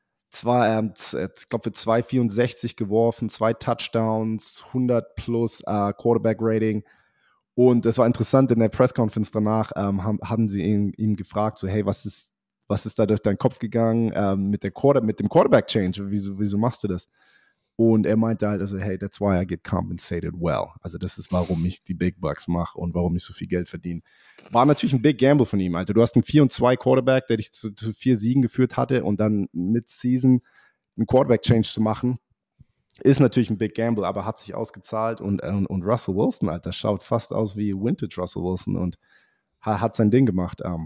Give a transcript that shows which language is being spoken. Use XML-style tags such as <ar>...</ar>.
<de>Ich glaube, für 264 geworfen, 2 Touchdowns, 100 plus Quarterback-Rating. Und es war interessant, in der Press-Conference danach haben sie ihn gefragt, so, hey, was ist da durch deinen Kopf gegangen mit dem Quarterback-Change? Wieso machst du das? Und er meinte halt, also hey,</de> <en>that's why I get compensated well.</en> <de>Also das ist, warum ich die Big Bucks mache und warum ich so viel Geld verdiene. War natürlich ein Big Gamble von ihm, Alter. Du hast einen 4-2 Quarterback, der dich zu 4 Siegen geführt hatte, und dann Mid-Season einen Quarterback-Change zu machen, ist natürlich ein Big Gamble, aber hat sich ausgezahlt. Und Russell Wilson, Alter, schaut fast aus wie Vintage Russell Wilson und hat sein Ding gemacht.</de>